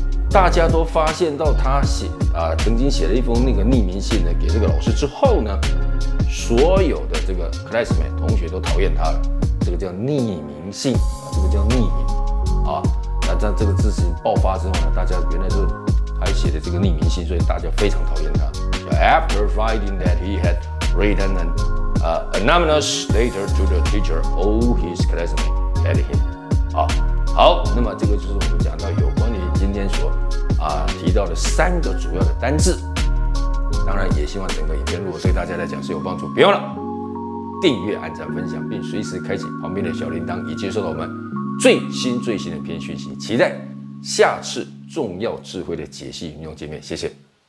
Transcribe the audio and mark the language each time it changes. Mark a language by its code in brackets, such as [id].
[zh] 大家都发现到他写啊曾经写了一封那个匿名信呢给这个老师之后呢，所有的这个 classmate 同学都讨厌他了，这个叫匿名信、啊、这个叫匿名啊，那在这个事情爆发之后呢，大家原来就还写的这个匿名信，所以大家非常讨厌他。 [en] After finding that he had written an anonymous letter to the teacher, all his classmates hated him. [zh] 好，那么这个就是我们讲到有关于今天所提到的三个主要的单字。当然也希望整个影片如果对大家来讲是有帮助，别忘了订阅、按赞、分享，并随时开启旁边的小铃铛，以接收到我们最新的片讯息。期待下次重要智慧的解析运用界面，谢谢。